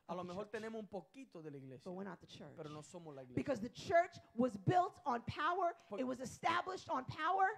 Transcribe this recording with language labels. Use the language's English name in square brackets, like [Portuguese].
[Spanish] A lo mejor [English] the church, [Spanish] tenemos un poquito de la iglesia. [English] But we're not the church. [Spanish] Pero no somos la iglesia. [English] Because the church was built on power. It was established on power.